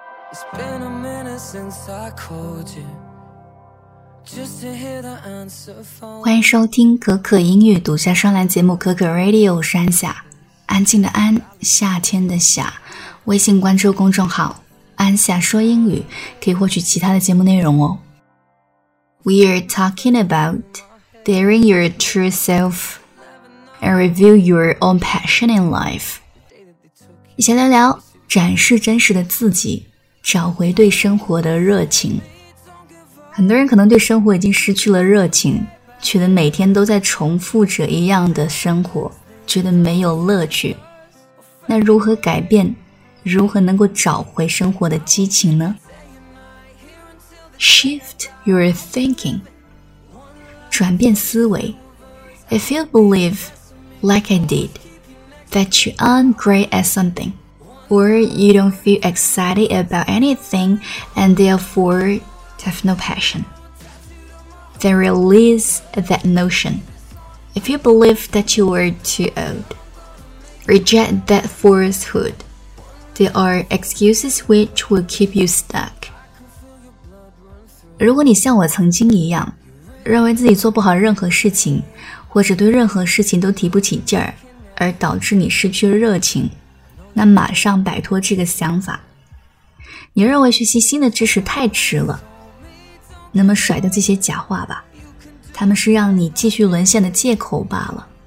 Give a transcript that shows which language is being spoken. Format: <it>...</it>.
<en>It's been a minute since I called you just to hear the answer phone.</en> <zh>欢迎收听可可英语独家专栏节目可可 Radio 山下，安静的安，夏天的夏。微信关注公众号安夏说英语，可以获取其他的节目内容哦。</zh> <en>We are talking about daring your true selfAnd reveal your own passion in life.</en> <zh>一起聊聊展示真实的自己，找回对生活的热情。很多人可能对生活已经失去了热情，觉得每天都在重复着一样的生活，觉得没有乐趣。那如何改变，如何能够找回生活的激情呢？</zh> <en>Shift your thinking.</en> <zh>转变思维。</zh> <en>If you believeLike I did, that you aren't great at something, or you don't feel excited about anything and therefore have no passion. Then release that notion. If you believe that you are too old, reject that falsehood. There are excuses which will keep you stuck.</en> <zh>如果你像我曾经一样，认为自己做不好任何事情，或者对任何事情都提不起劲儿，而导致你失去了热情，那马上摆脱这个想法。你认为学习新的知识太迟了，那么甩掉这些假话吧，他们是让你继续沦陷的借口罢了。</zh>